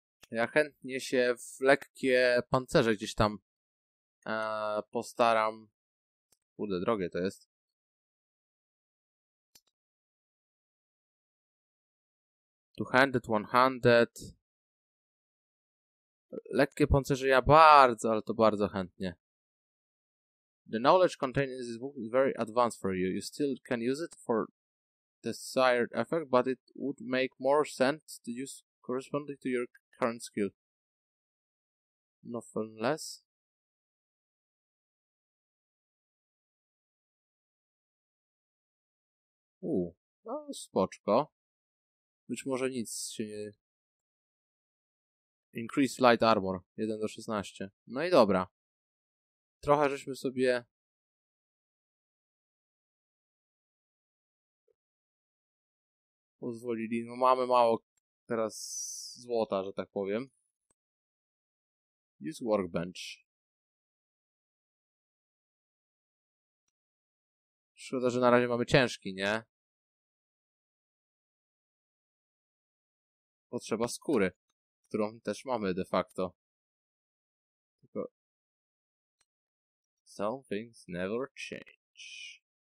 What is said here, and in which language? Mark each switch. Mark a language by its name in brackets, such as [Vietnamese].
[Polish] Ja chętnie się w lekkie pancerze gdzieś tam postaram. Kurde, drogie to jest. [English] Two-handed, one-handed. [Polish] Lekkie pancerze ja bardzo, ale to bardzo chętnie. [English] The knowledge contained in this book is very advanced for you. You still can use it for desired effect, but it would make more sense to use corresponding to your current skill. Nothing less. [Polish] No spoczko. Być może nic się nie... [English] Increase light armor. [Polish] 1 do 16. No i dobra. Trochę żeśmy sobie... pozwolili. No mamy mało teraz złota, że tak powiem. [English] Use workbench. [Polish] Szkoda, że na razie mamy ciężki, nie? Potrzeba skóry, którą też mamy de facto. Tylko... [English] Some things never change.